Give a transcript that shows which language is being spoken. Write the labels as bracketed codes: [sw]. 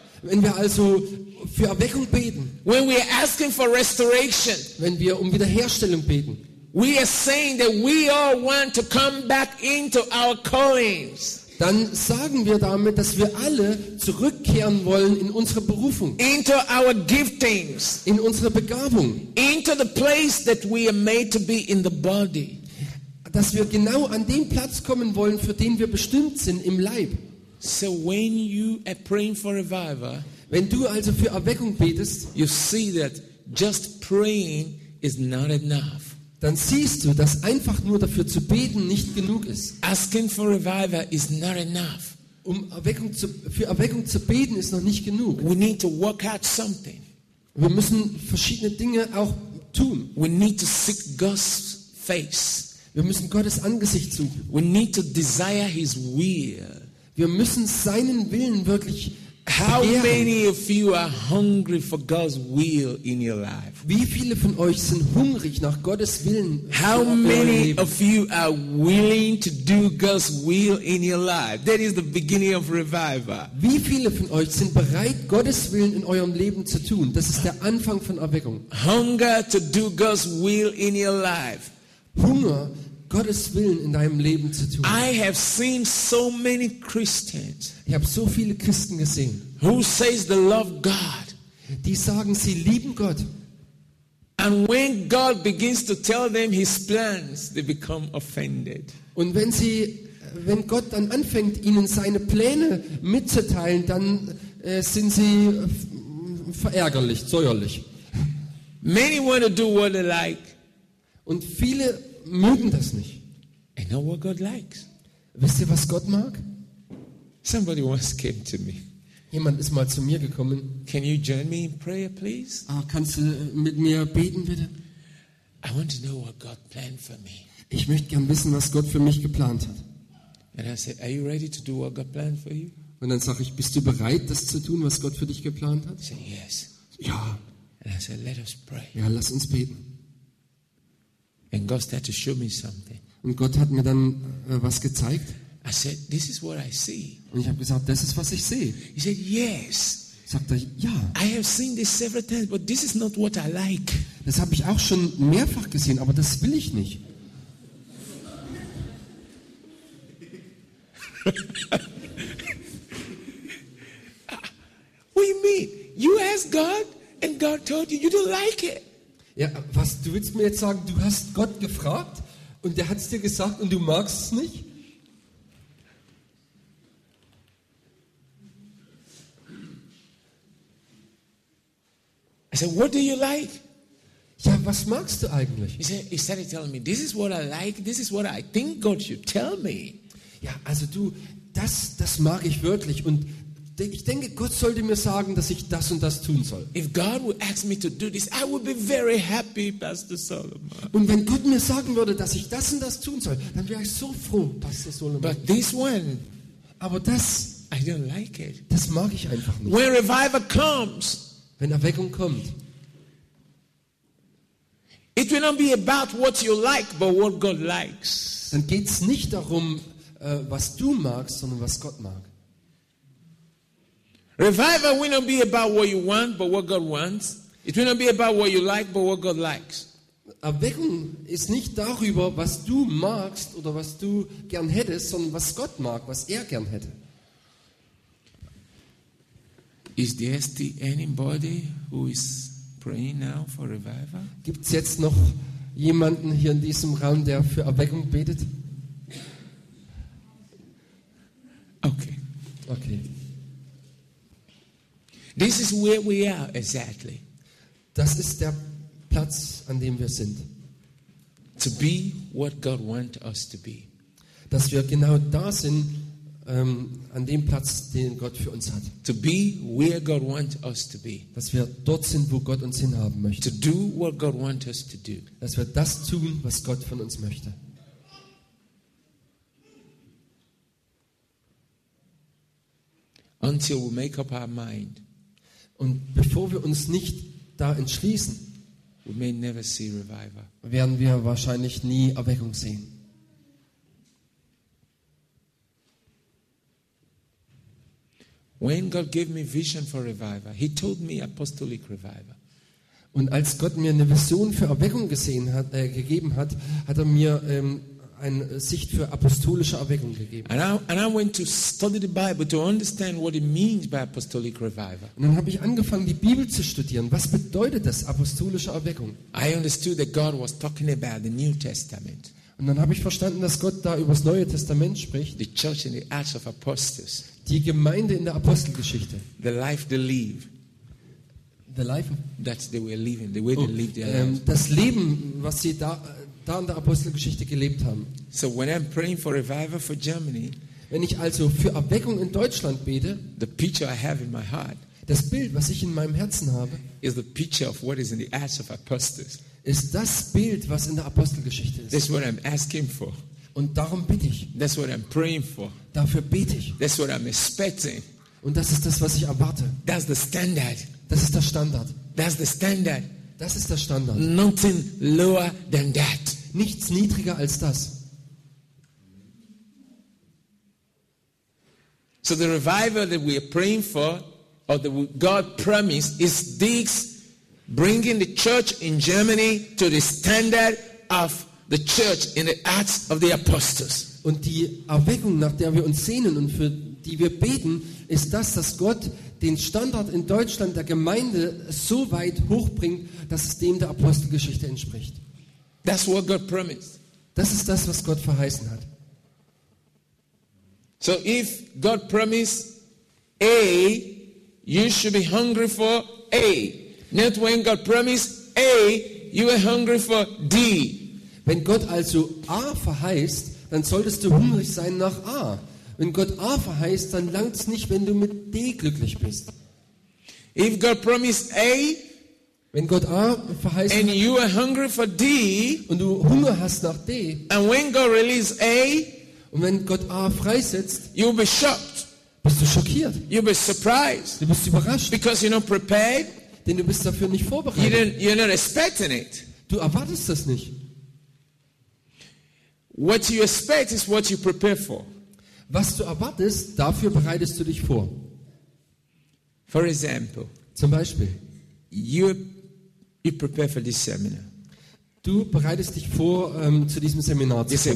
[de] wenn wir also für Erweckung beten, [en] when we are asking for restoration, [de] wenn wir um Wiederherstellung beten, [en] we are saying that we all want to come back into our callings. [de] Dann sagen wir damit, dass wir alle zurückkehren wollen in unsere Berufung. [en] Into our giftings. [de] In unsere Begabung. [en] Into the place that we are made to be in the body. [de] Dass wir genau an den Platz kommen wollen, für den wir bestimmt sind, im Leib. [en] So when you are praying for revival, [de] wenn du also für Erweckung betest, [en] you see that just praying is not enough. [de] Dann siehst du, dass einfach nur dafür zu beten nicht genug ist. [en] Asking for revival is not enough. [de] Für Erweckung zu beten ist noch nicht genug. [en] We need to work out something. [de] Wir müssen verschiedene Dinge auch tun. [en] We need to seek God's face. [de] Wir müssen Gottes Angesicht suchen. [en] We need to desire his will. [de] Wir müssen seinen Willen wirklich. [en] How many of you are hungry for God's will in your life? [de] Wie viele von euch sind hungrig nach Gottes Willen? [en] How many of you are willing to do God's will in your life? That is the beginning of revival. [de] Wie viele von euch sind bereit, Gottes Willen in eurem Leben zu tun? Das ist der Anfang von Erweckung. [en] Hunger to do God's will in your life. [de] Hunger, Gottes Willen in deinem Leben zu tun. [en] I have seen so many Christians. [de] Ich habe so viele Christen gesehen. [en] Who says they love God? [de] Die sagen, sie lieben Gott. [en] And when God begins to tell them his plans, they become offended. [de] Und wenn Gott dann anfängt, ihnen seine Pläne mitzuteilen, dann sind sie verärgerlich, zäuerlich. [en] Many want to do what they like. [de] Und viele mögen das nicht. [en] I know what God likes. [de] Wisst ihr, was Gott mag? [en] Somebody once came to me. [de] Jemand ist mal zu mir gekommen. [en] Can you join me in prayer, please? [de] Kannst du mit mir beten, bitte? [en] I want to know what God planned for me. [de] Ich möchte gern wissen, was Gott für mich geplant hat. [en] And I said, are you ready to do what God planned for you? [de] Und dann sage ich, bist du bereit, das zu tun, was Gott für dich geplant hat? [en] Say yes. [de] Ja. [en] And I said, let us pray. [de] Ja, lass uns beten. [en] And God started to show me something. [de] Und Gott hat mir dann was gezeigt. [en] I said, this is what I see. [de] Und ich habe gesagt, das ist, was ich sehe. [en] He said, yes. [de] Sagt er, ja. [en] I have seen this several times, but this is not what I like. [de] Das habe ich auch schon mehrfach gesehen, aber das will ich nicht. [en] What do you mean? You asked God and God told you you don't like it. [de] Ja, was, du willst mir jetzt sagen, du hast Gott gefragt und der hat es dir gesagt und du magst es nicht? [en] I said, what do you like? [de] Ja, was magst du eigentlich? [en] He started telling me, this is what I like, this is what I think God should tell me. [de] Ja, also du, das mag ich wirklich und ich denke, Gott sollte mir sagen, dass ich das und das tun soll. [en] If God would ask me to do this, I would be very happy, Pastor Solomon. [de] Und wenn Gott mir sagen würde, dass ich das und das tun soll, dann wäre ich so froh, Pastor Solomon. [en] But this one, [de] aber das, [en] I don't like it. [de] Das mag ich einfach nicht. [en] When revival comes, [de] wenn Erweckung kommt, [en] it will not be about what you like, but what God likes. [de] Dann geht's nicht darum, was du magst, sondern was Gott mag. [en] Revival will not be about what you want, but what God wants. It will not be about what you like, but what God likes. [de] Erweckung ist nicht darüber, was du magst oder was du gern hättest, sondern was Gott mag, was er gern hätte. [en] Is there still anybody who is praying now for revival? [de] Gibt's jetzt noch jemanden hier in diesem Raum, der für Erweckung betet? Okay. Okay. [en] This is where we are exactly. [de] Das ist der Platz, an dem wir sind. [en] To be what God wants us to be. [de] Dass wir genau da sind, an dem Platz, den Gott für uns hat. [en] To be where God wants us to be. [de] Dass wir dort sind, wo Gott uns hinhaben möchte. [en] To do what God wants us to do. [de] Dass wir das tun, was Gott von uns möchte. [en] Until we make up our mind. [de] Und bevor wir uns nicht da entschließen, [en] we may never see revival. [de] Werden wir wahrscheinlich nie Erweckung sehen. [en] When God gave me vision for revival, he told me apostolic revival. [de] Und als Gott mir eine Vision für Erweckung gesehen hat, gegeben hat, hat er mir eine Sicht für apostolische Erweckung gegeben. [en] And I went to study the Bible to understand what it means by apostolic revival. [de] Und dann habe ich angefangen, die Bibel zu studieren. Was bedeutet das, apostolische Erweckung? [en] I understood that God was talking about the New Testament. [de] Und dann habe ich verstanden, dass Gott da über das Neue Testament spricht. [en] The church in the Acts of Apostles. [de] Die Gemeinde in der Apostelgeschichte. [en] The life they live. The life of, that they were living. The way they lived their lives. [de] Das Leben, was sie da in der Apostelgeschichte gelebt haben. [en] So when I'm praying for revival for Germany, [de] wenn ich also für Erweckung in Deutschland bete, [en] the picture I have in my heart, [de] das Bild, was ich in meinem Herzen habe, [en] is the picture of what is in the Acts of Apostles. [de] Ist das Bild, was in der Apostelgeschichte ist. [en] That's what I'm asking for. [de] Und darum bitte ich. [en] That's what I'm praying for. [de] Dafür bete ich. [en] That's what I'm expecting. [de] Und das ist das, was ich erwarte. [en] That's the standard. [de] Das ist der Standard. [en] That's the standard. [de] Das ist der Standard. [en] Nothing lower than that. [de] Nichts niedriger als das. [en] So the revival that we are praying for, or that God promised, is this bringing the church in Germany to the standard of the church in the Acts of the Apostles. [de] Und die Erweckung, nach der wir uns sehnen und für die wir beten, ist das, dass Gott den Standard in Deutschland der Gemeinde so weit hochbringt, dass es dem der Apostelgeschichte entspricht. [en] That's what God promised. [de] Das ist das, was Gott verheißen hat. [en] So if God promised A, you should be hungry for A. Not when God promised A, you are hungry for D. [de] Wenn Gott also A verheißt, dann solltest du hungrig sein nach A. Wenn Gott A verheißt, dann langt es nicht, wenn du mit D glücklich bist. [en] If God promised A, [de] wenn Gott A verheißt, [en] and you are hungry for D, [de] und du Hunger hast nach D, [en] and when God releases A, [de] und wenn Gott A freisetzt, [en] you'll be shocked. [de] Bist du schockiert? [en] You'll be surprised. [de] Du bist überrascht. [en] Because you're not prepared. [de] Denn du bist dafür nicht vorbereitet. [en] You're not expecting it. [de] Du erwartest das nicht. [en] What you expect is what you prepare for. [de] Was du erwartest, dafür bereitest du dich vor. [en] For example, [de] zum Beispiel, [en] you prepare for this seminar. [de] Du bereitest dich vor, zu diesem Seminar zu kommen.